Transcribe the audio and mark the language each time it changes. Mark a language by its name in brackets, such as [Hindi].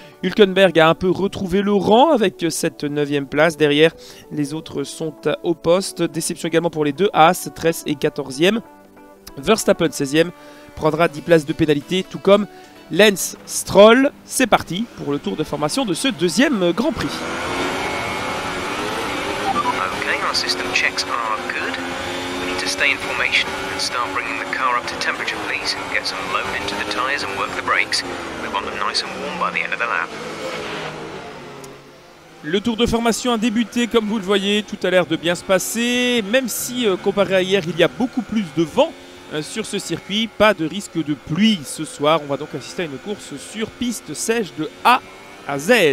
[French] Hülkenberg a un peu retrouvé le rang avec cette 9e place. Derrière, les autres sont au poste. Déception également pour les deux Haas, 13e et 14e. Verstappen, 16e, prendra 10 places de pénalité, tout comme Lance Stroll. C'est parti pour le tour de formation de ce deuxième Grand Prix. [English] Okay, our system checks are good. We need to stay in formation and start bringing the car up to temperature, please. Get some load into the tires and work the brakes. We want them nice and warm by the end of the lap. [French] Le tour de formation a débuté, comme vous le voyez, tout a l'air de bien se passer, même si comparé à hier, il y a beaucoup plus de vent sur ce circuit, pas de risque de pluie ce soir. On va donc assister à une course sur piste sèche de A à Z.